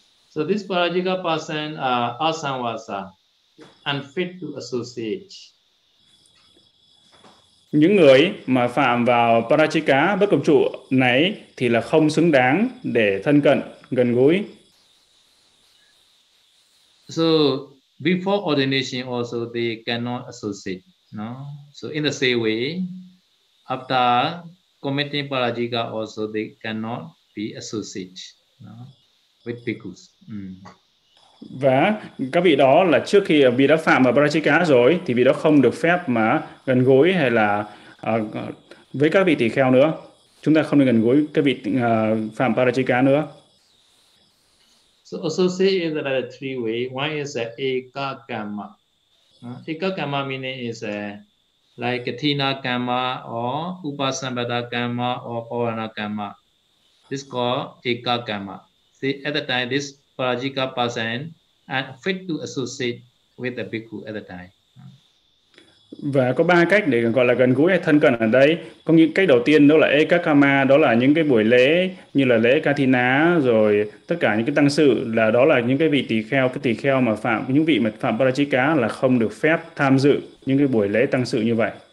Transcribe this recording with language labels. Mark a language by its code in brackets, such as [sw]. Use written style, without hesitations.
[en] So this parajika person asanvasa, unfit to associate. [vi] Những người mà phạm vào parajika bất công trụ này thì là không xứng đáng để thân cận, gần gũi. [en] So before ordination also they cannot associate, no? So in the same way, after committing parajika also they cannot be associated, no? With bhikkhus. Mm. [vi] Và các vị đó là trước khi vị đã phạm vào parajika rồi thì vị đó không được phép mà gần gũi hay là với các vị tỳ kheo nữa. Chúng ta không được gần gũi các vị phạm parajika nữa. [en] So associate is like three way. One is ekakamma. Ekakamma meaning is like tina kamma or upasambhata kamma or pavana kamma. This is called ekakamma. See, at the time, this parajika person and fit to associate with the bhikkhu at the time. [vi] Và có ba cách để gọi là gần gũi hay thân cận ở đây. Có những cách đầu tiên đó là ekakama, đó là những cái buổi lễ như là lễ Kathina, rồi tất cả những cái tăng sự, là đó là những cái vị tỳ kheo, cái tỳ kheo mà phạm, những vị mà phạm parajika là không được phép tham dự những cái buổi lễ tăng sự như vậy.